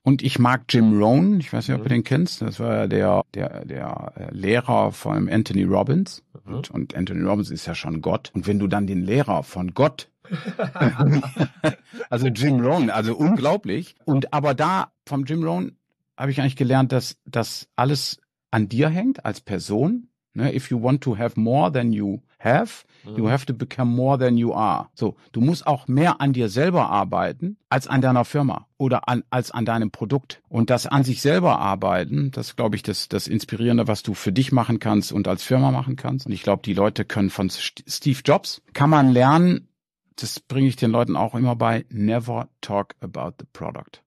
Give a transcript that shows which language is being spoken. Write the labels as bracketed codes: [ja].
[de] Und ich mag Jim Rohn, ich weiß nicht, ob du den kennst, das war ja der Lehrer von Anthony Robbins. Und Anthony Robbins ist ja schon Gott. Und wenn du dann den Lehrer von Gott, also Jim Rohn, also unglaublich. Und aber da, vom Jim Rohn, habe ich eigentlich gelernt, dass das alles an dir hängt, als Person. [en] If you want to have more than you have, you have to become more than you are. [de] So, du musst auch mehr an dir selber arbeiten als an deiner Firma oder als an deinem Produkt. Und das an sich selber arbeiten, das glaube ich, das Inspirierende, was du für dich machen kannst und als Firma machen kannst. Und ich glaube, die Leute können von Steve Jobs, kann man lernen, das bringe ich den Leuten auch immer bei, [en] never talk about the product.